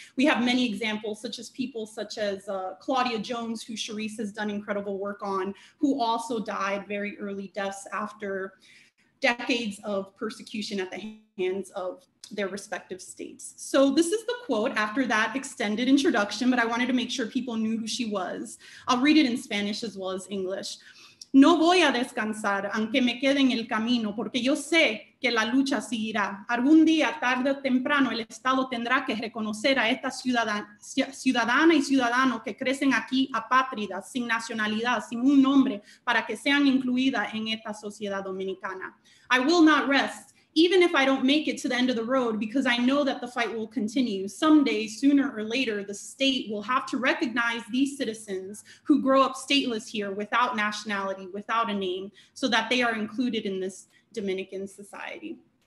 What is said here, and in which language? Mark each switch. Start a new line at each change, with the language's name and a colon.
English: We have many examples, such as people such as Claudia Jones, who Charisse has done incredible work on, who also died very early deaths after decades of persecution at the hands of their respective states. So this is the quote after that extended introduction, but I wanted to make sure people knew who she was. I'll read it in Spanish as well as English.
Spanish: No voy a descansar, aunque me quede en el camino, porque yo sé que la lucha seguirá. Algún día, tarde o temprano, el Estado tendrá que reconocer a esta ciudadana y ciudadano que crecen aquí apátridas, sin nacionalidad, sin un nombre, para que sean incluidas en esta sociedad dominicana.
English: I will not rest, even if I don't make it to the end of the road, because I know that the fight will continue. Someday, sooner or later, the state will have to recognize these citizens who grow up stateless here without nationality, without a name, so that they are included in this Dominican society.